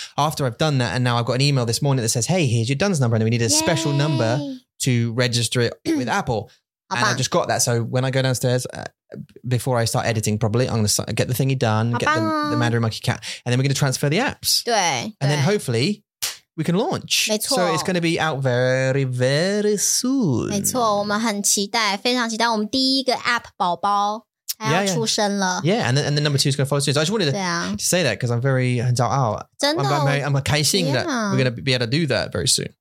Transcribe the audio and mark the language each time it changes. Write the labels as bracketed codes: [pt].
[en] After I've done that, and now I've got an email this morning that says, hey, here's your Dunn's number. And we need a special number to register it with Apple. And I just got that. So when I go downstairs, before I start editing, probably I'm going to get the thingy done, get the Mandarin Monkey Cat, and then we're going to transfer the apps. [zh] 对, [en] and then hopefully we can launch. [zh] 没错, [en] so it's going to be out very, very soon. [zh] 没错，我们很期待，非常期待。我们第一个app宝宝要出生了。 [en] Yeah, yeah, and then number two is going to follow soon. So I just wanted to say that because I'm very 很骄傲。 [zh] 真的, [en] I'm 开心 that we're going to be able to do that very soon.